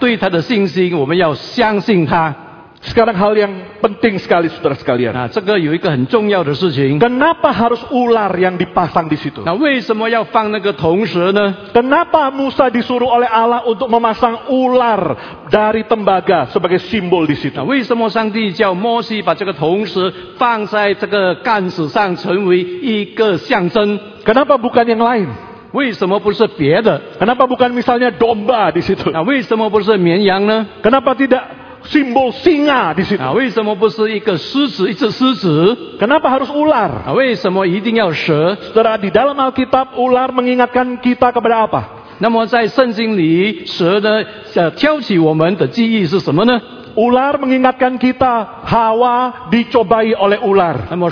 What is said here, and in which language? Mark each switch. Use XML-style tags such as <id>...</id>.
<zh>但是上帝的方法呢，就是他要我们倒回我们原来对他的信心，我们要相信他。</zh> <id>Sekarang hal yang penting sekali, saudara sekalian.</id> <zh>Nah, 这个有一个很重要的事情.</zh> <id>Kenapa harus ular yang dipasang di situ?</id> <zh>Nah, 为什么要放那个铜蛇呢?</zh> <id>Kenapa Musa disuruh oleh Allah untuk memasang ular dari tembaga sebagai simbol di situ?</id> <zh>Nah, 为什么上帝叫摩西把这个铜蛇放在这个杆子上，成为一个象征?</zh> <id>Kenapa bukan yang lain?</id> <zh>为什么不是别的?</zh> <id>Kenapa bukan misalnya domba di situ?</id> <zh>Nah, 为什么不是绵羊呢?</zh> <id>Kenapa tidak simbol singa di situ.</id> <zh>Nah, 为什么不是一个狮子，一只狮子？</zh> <id>Kenapa harus ular?</id> <zh>Nah, 为什么一定要蛇？</zh> <id>Saudara, di dalam Alkitab ular mengingatkan kita kepada apa?</id> <zh>那么在圣经里，蛇呢，挑起我们的记忆是什么呢？</zh> <id>Ular mengingatkan kita Hawa dicobai oleh ular.</id>